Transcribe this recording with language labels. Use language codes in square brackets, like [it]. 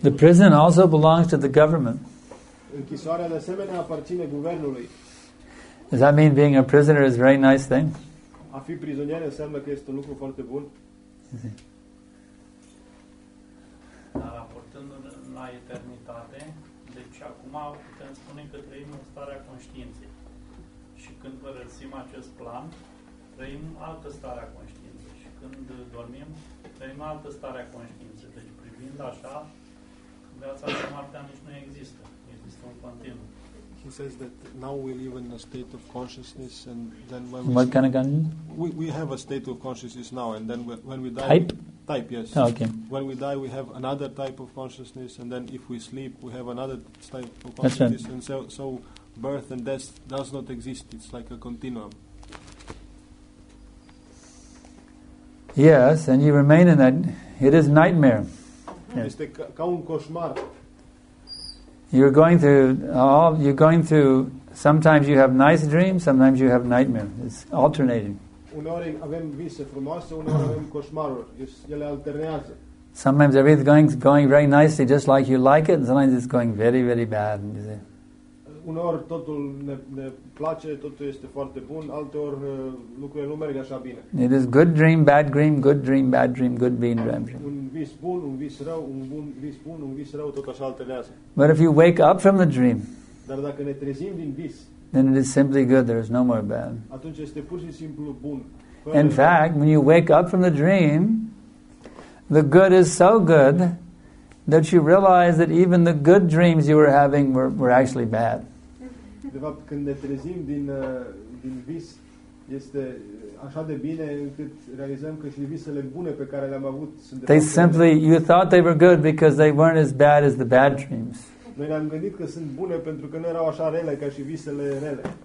[en] The prison also belongs to the government. [ro] Închisoarea de asemenea aparține guvernului. [en] Does that mean being a prisoner is a very nice thing? [ro] A fi prizonier înseamnă că este un lucru foarte bun. Dar raportându-ne la eternitate, deci acum putem spune că trăim în starea conștiinței. Și când părăsim acest plan, trăim altă stare a conștiinței. Și când dormim, trăim altă stare a conștiinței. Deci privind așa, viața și moartea nici nu există. Există un continuu. [en] He says that now we live in a state of consciousness, and then when what kind of consciousness? We have a state of consciousness now, and then when we die, type yes. Oh, okay. When we die, we have another type of consciousness, and then if we sleep, we have another type of consciousness, right. And so birth and death does not exist. It's like a continuum. Yes, and you remain in that. It is nightmare. [ro] Este ca un coșmar. [en] You're going through, sometimes you have nice dreams, sometimes you have nightmares. It's alternating. [ro] Uneori avem vise frumoase, uneori avem coșmaruri. Ele alternează. [en] Sometimes everything's going very nicely, just like you like it, and sometimes it's going very, very bad. [ro] Uneori totul ne place, totul este foarte bun, alteori lucrurile nu merg așa bine. [en] It is good dream, bad dream, good dream, bad dream, good bean dream. [ro] Un vis bun, un vis rău, un vis bun, un vis rău, tot așa alternează. [en] But if you wake up from the dream, [ro] dar dacă ne trezim din vis, [en] then it is simply good, there is no more bad. [ro] Atunci este pur și simplu bun. [en] In fact, when you wake up from the dream, the good is so good that you realize that even the good dreams you were having were actually bad. [ro] De fapt, când ne trezim din vis, este așa de bine încât realizăm că și visele bune pe care le-am avut sunt [en] de... They simply, you thought they were good because they weren't as bad as the bad dreams. [ro] Noi ne-am gândit că sunt bune pentru că nu erau așa rele ca și visele rele.